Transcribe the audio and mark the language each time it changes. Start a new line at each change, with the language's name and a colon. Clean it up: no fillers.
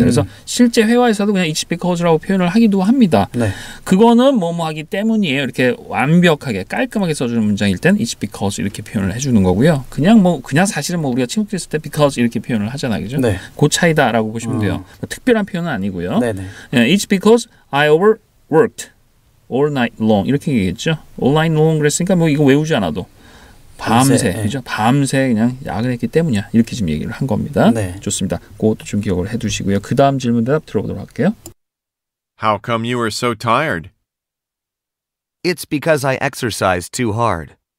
Korean: 그래서 실제 회화에서도 그냥
English: it's because
Korean: 라고 표현을 하기도 합니다. 네. 그거는 뭐뭐 하기 때문이에요. 이렇게 완벽하게 깔끔하게 써주는 문장일 땐
English: it's because
Korean: 이렇게 표현을 해주는 거고요. 그냥 사실은 뭐 우리가 친구들 있을 때 because 이렇게 표현을 하잖아. 그죠? 네. 그 차이다라고 보시면 돼요. 그러니까 특별한 표현은 아니고요. 네네. 네.
English: It's because I overworked all night long
Korean: 이렇게 얘기했죠.
English: All night long
Korean: 그랬으니까 뭐 이거 외우지 않아도 밤새 네. 그죠? 밤새 그냥 야근했기 때문이야 이렇게 지금 얘기를 한 겁니다. 네. 좋습니다. 그것도 좀 기억을 해두시고요. 그 다음 질문 대답 들어보도록 할게요.
English: How come you are so tired? It's because I exercise too hard.